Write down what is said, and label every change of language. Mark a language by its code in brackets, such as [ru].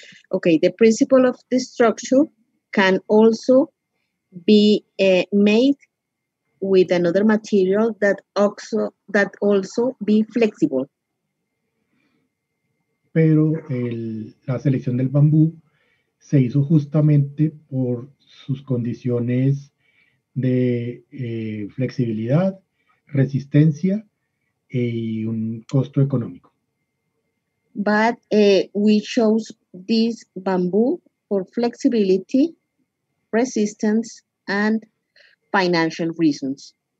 [en] Okay, the principle of the structure can also be made with another material that also be flexible. [es] Pero la selección del bambú se hizo justamente por sus condiciones de flexibilidad, resistencia y un costo económico. [en] But we chose this bamboo for flexibility, resistance, and financial reasons.